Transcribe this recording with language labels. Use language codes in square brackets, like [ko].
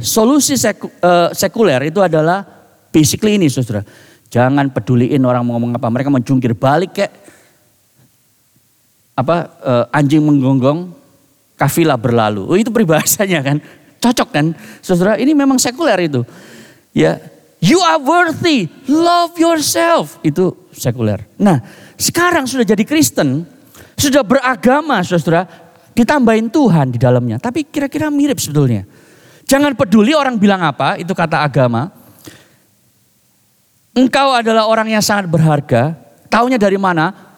[id] Solusi sekuler itu adalah basically ini, saudara. Jangan peduliin orang mau ngomong apa. Mereka menjungkir balik kayak anjing menggonggong, kafilah berlalu. Oh, itu peribahasanya kan. Cocok kan, saudara. Ini memang sekuler itu. [en] Ya, you are worthy, love yourself. [id] Itu sekuler. Nah, sekarang sudah jadi Kristen, sudah beragama, saudara, ditambahin Tuhan di dalamnya. Tapi kira-kira mirip sebetulnya. Jangan peduli orang bilang apa, itu kata agama. Engkau adalah orang yang sangat berharga. Taunya dari mana?